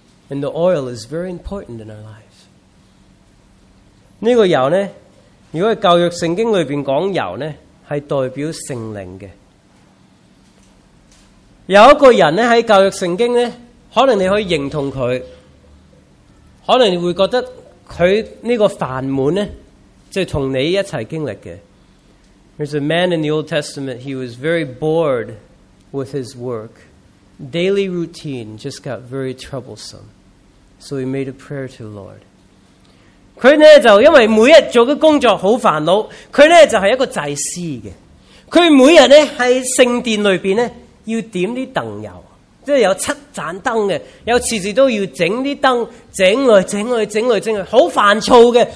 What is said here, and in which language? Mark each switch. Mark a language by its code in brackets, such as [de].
[en] And the oil is very important in our lives. [zh] 这个油呢，如果在旧约圣经里面讲油呢，是代表圣灵的。有一个人呢，在旧约圣经呢，可能你可以认同他，可能你会觉得他这个烦闷呢，就是跟你一起经历的。 [en] There's a man in the Old Testament, he was very bored with his work. Daily routine just got very troublesome. So he made a prayer to the Lord. [zh] 他呢就因为每天做的工作很烦恼，他呢就是一个祭司的。他每天呢在圣殿里面呢要点啲灯油，即是有七盏灯的，有次次都要整啲灯，整来整来整来整来，好烦躁的。